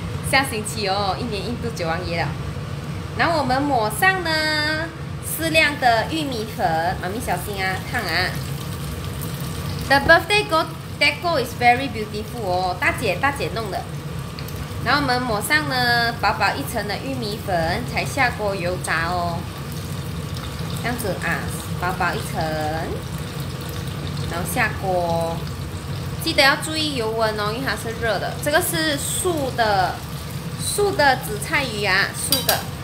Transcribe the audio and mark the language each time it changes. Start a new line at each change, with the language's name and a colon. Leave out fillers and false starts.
Chinese: 下星期哦，一年印度九王爷了。然后我们抹上呢适量的玉米粉，妈咪小心啊，烫啊。
English: The birthday deco is very beautiful 哦，大姐弄的。
Chinese: 然后我们抹上呢薄薄一层的玉米粉，才下锅油炸哦。这样子啊，薄薄一层，然后下锅，记得要注意油温哦，因为它是热的。这个是素的紫菜鱼啊，素的。